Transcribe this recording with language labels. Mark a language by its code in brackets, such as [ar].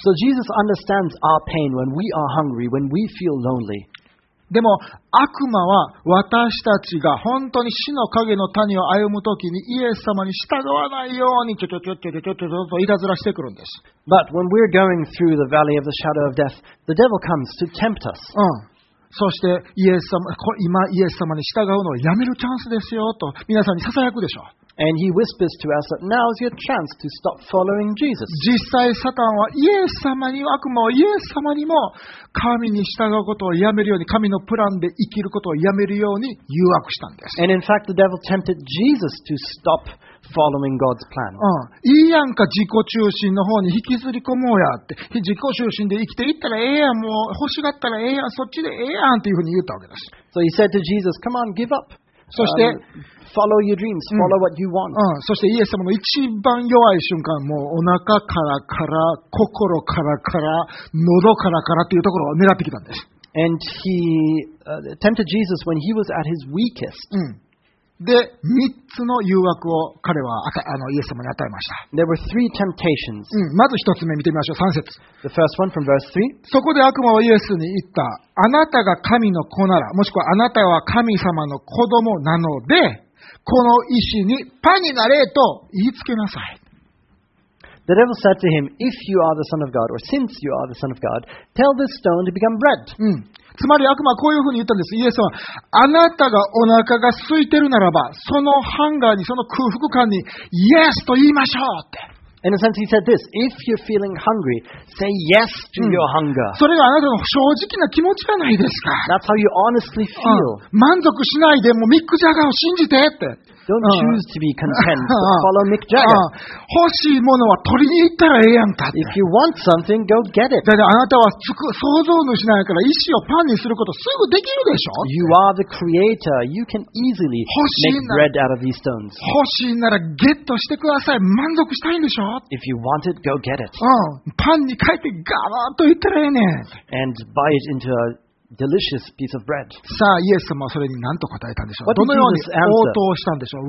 [en] So Jesus understands our pain when we are hungry, when we feel lonely. [ja] でも悪魔は私たちが本当に死の影の谷を歩むときにイエス様に従わないようにちょっといたずらしてくるんです。 [en] But when we're going through the valley of the shadow of death, the devil comes to tempt us. [ja] そしてイエス様、今イエス様に従うのをやめるチャンスですよと皆さんに囁くでしょう。 [en] And he whispers to us that now is your chance to stop following Jesus. [ja] 実際サタンはイエス様にも悪魔はイエス様にも神に従うことをやめるように神のプランで生きることをやめるように誘惑したんです。 [en] And in fact, the devil tempted Jesus to stop following God's plan. [ja] いいやんか自己中心の方に引きずり込もうやって自己中心で生きていったらええやんもう欲しがったらええやんそっちでええやんというふうに言ったわけです。 [en] So he said to Jesus, "Come on, give up." [ja] そして、 [en] follow your dreams, follow what you want. [ja] そしてイエス様の一番弱い瞬間、もうお腹からから、心からから、喉からからっていうところを狙ってきたんです。 [en] And he tempted Jesus when he was at his weakest. [ja] で、三つの誘惑を彼はイエス様に与えました。 [en] There were three temptations. [ja] まず一つ目見てみましょう、三節。 [en] The first one from verse three. [ja] そこで悪魔はイエスに言った。あなたが神の子なら、もしくはあなたは神様の子供なので、この石にパンになれと言いつけなさい。 [en] The devil said to him, If you are the son of God, or since you are the son of God, tell this stone to become bread. [ja] つまり悪魔はこういうふうに言ったんです。イエスはあなたがお腹が空いてるならば、そのハンガーに、その空腹感にイエスと言いましょうって。 [en] In a sense, he said this: If you're feeling hungry, say yes to your hunger. [ja] それがあなたの正直な気持ちじゃないですか。 [en] That's how you honestly feel. [ja] 満足しないでもミック・ジャガーを信じてって。 [en] Don't choose to be content, but follow Mick Jagger. [ja] 欲しいものは取りに行ったらええやんか。 [en] If you want something, go get it. [ja] だってあなたは創造主なんやから石をパンにすることすぐできるでしょ。 [en] You are the creator. You can easily make bread out of these stones. [ja] 欲しいならゲットしてください。満足したいんでしょ。 [en] If you want it, go get it. [ja] パンに変えてガバッと言ったらええねん。 [en] And buy it into a delicious piece of bread. [ja] さあ、イエス様はそれに何と答えたんでしょう。どのように応答したんでしょう。